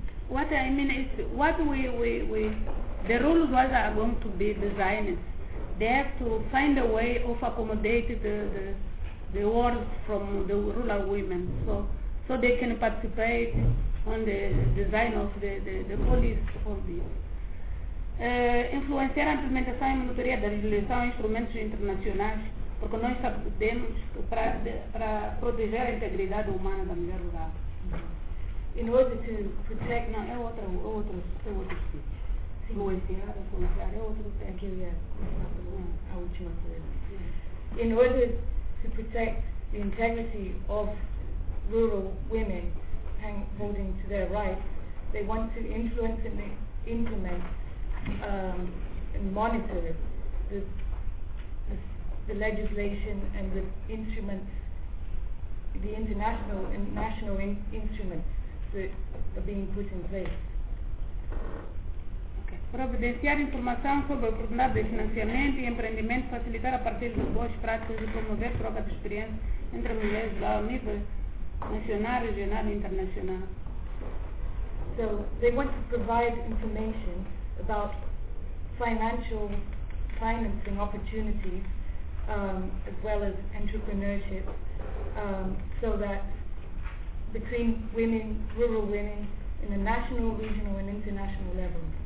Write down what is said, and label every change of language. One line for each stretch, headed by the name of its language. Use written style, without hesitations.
English: What I mean is, what we the rules that are going to be designed, they have to find a way of accommodating the words from the rural women, so they can participate on the design of the policy for this.
Portuguese: Influenciar a implementação e monitoria da legislação e instrumentos internacionais, porque nós sabemos para proteger a integridade humana da mulher rural.
English: In order to protect,
Portuguese: no, é outro speech.
English: In order to protect the integrity of rural women holding to their rights, they want to influence and implement and monitor the legislation and the instruments, the international and national instruments that are being put in place. Okay.
Portuguese: Providenciar informação sobre a oportunidade de financiamento e empreendimento, facilitar a partir de boas práticas e promover troca de experiência entre mulheres lá ao nível nacional, regional e internacional.
English: So, they want to provide information about financial financing opportunities as well as entrepreneurship so that between women, rural women, in a national, regional, and international level.